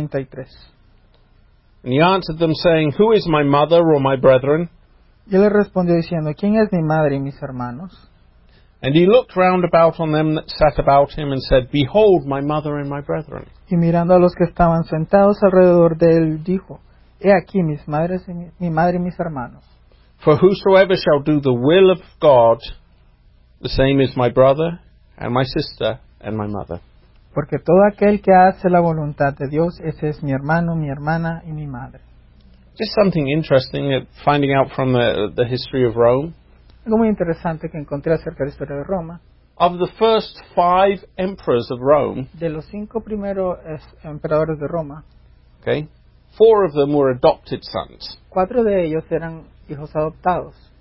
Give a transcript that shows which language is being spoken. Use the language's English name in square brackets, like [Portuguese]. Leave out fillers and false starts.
[English] Verse 33. And he answered them, saying, "Who is my mother or my brethren?" [Spanish] Y él respondió diciendo, ¿quién es mi madre y mis hermanos? [English] And he looked round about on them that sat about him and said, "Behold, my mother and my brethren." [Spanish] Y mirando a los que estaban sentados alrededor de él, dijo, he aquí mi madre y mis hermanos. [English] For whosoever shall do the will of God, the same is my brother and my sister and my mother. [Spanish] Porque todo aquel que hace la voluntad de Dios, ese es mi hermano, mi hermana y mi madre. [English] Just something interesting finding out from the history of Rome. [Spanish] Algo muy interesante que encontré acerca de la historia de Roma. [English] Of the first five emperors of Rome. [Spanish] De los cinco primeros emperadores de Roma. [English] Okay. Four of them were adopted sons. [Spanish] Cuatro de ellos eran hijos adoptados.